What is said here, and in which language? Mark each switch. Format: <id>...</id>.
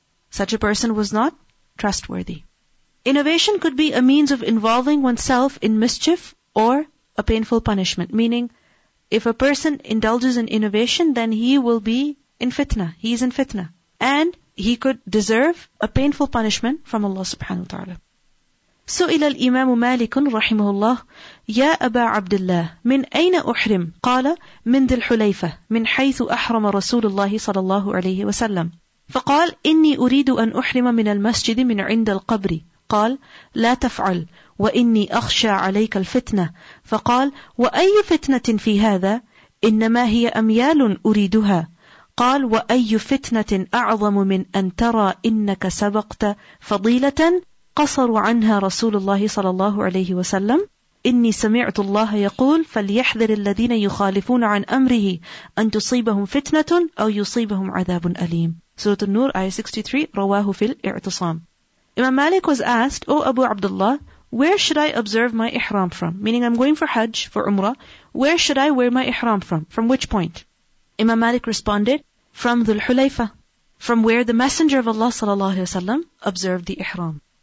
<en>Such a person was not trustworthy. Innovation could be a means of involving oneself in mischief or a painful punishment. Meaning, if a person indulges in innovation, then he will be in fitna. He is in fitna. And he could deserve a painful punishment from Allah subhanahu wa ta'ala.</en> <ar>سئل الإمام مالك رحمه الله يا أبا عبد الله من أين أحرم؟ قال من ذي الحليفة من حيث أحرم رسول الله صلى الله عليه وسلم. فقال إني أريد أن أحرم من المسجد من عند القبر. قال لا تفعل وإني أخشى عليك الفتنة. فقال وأي فتنة في هذا؟ إنما هي أميال أريدها. قال وأي فتنة أعظم من أن ترى إنك سبقت فضيلة قصر عنها رسول الله صلى الله عليه وسلم. إني سمعت الله يقول فليحذر الذين يخالفون عن أمره أن تصيبهم فتنة أو يصيبهم عذاب أليم. سورة النور آية 63 رواه في الاعتصام.</ar> <en>Imam Malik was asked, O Abu Abdullah, where should I observe my ihram from? Meaning I'm going for Hajj, for Umrah, where should I wear my ihram from? From which point? Imam Malik responded, from Dhul Hulayfa, from where the Messenger of Allah sallallahu alayhi wa sallam observed the ihram.</en>